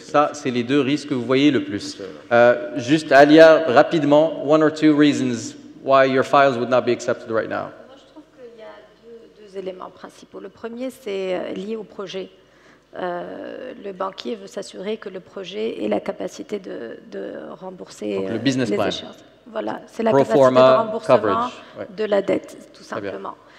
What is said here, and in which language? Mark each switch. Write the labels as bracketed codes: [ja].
[fr] Ça, c'est les deux risques que vous voyez le plus. [en] Juste, Alia, rapidement, one or two reasons why your files would not be accepted right now. [fr] Moi, je trouve qu'il y a deux éléments principaux. Le premier, c'est lié au projet. Le banquier veut s'assurer que le projet ait la capacité de rembourser le business plan. Voilà, c'est la capacité de remboursement coverage. De la dette, tout simplement.